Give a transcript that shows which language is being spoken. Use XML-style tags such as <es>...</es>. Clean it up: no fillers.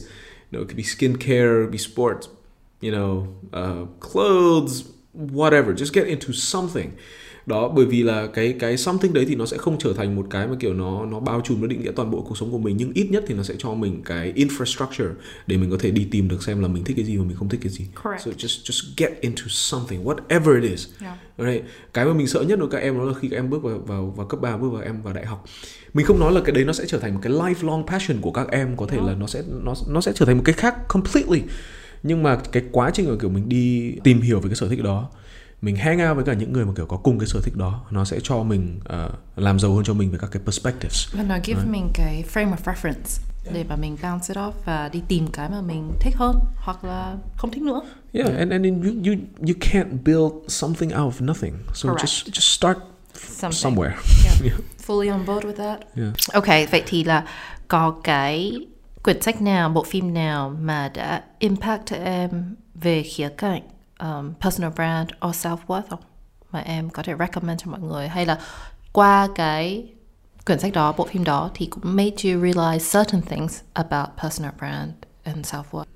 <en>You know, it could be skincare, it could be sports, you know, clothes, whatever. Just get into something.</en> <vi>Đó, bởi vì là cái something đấy thì nó sẽ không trở thành một cái mà kiểu nó bao trùm, nó định nghĩa toàn bộ cuộc sống của mình, nhưng ít nhất thì nó sẽ cho mình cái infrastructure để mình có thể đi tìm được xem là mình thích cái gì và mình không thích cái gì.</vi> <en>Correct. So just get into something, whatever it is. Yeah. Right.</en> <vi>Cái mà mình sợ nhất đối với các em đó là khi các em bước vào cấp 3, bước vào em vào đại học. Mình không nói là cái đấy nó sẽ trở thành một cái lifelong passion của các em, có thể là nó sẽ trở thành một cái khác completely. Nhưng mà cái quá trình mà kiểu mình đi tìm hiểu về cái sở thích đó, mình hang out với cả những người mà kiểu có cùng cái sở thích đó, nó sẽ cho mình làm giàu hơn cho mình về các cái perspectives. Và nó give mình cái</vi> <en>frame of reference</en> <vi>để mà mình</vi> <en>bounce it off</en> <vi>và đi tìm cái mà mình thích hơn hoặc là không thích nữa.</vi> <en>Yeah, and you can't build something out of nothing. So correct. just start somewhere. Yeah. Fully on board with that. Yeah.</en> <vi>Okay, vậy thì là có cái quyển sách nào, bộ phim nào mà đã impact em về khía cạnh personal brand or self-worth không? Mà em có thể recommend cho mọi người, hay là qua cái quyển sách đó, bộ phim đó thì cũng</vi> <en>made you realize certain things about personal brand and self-worth?</en>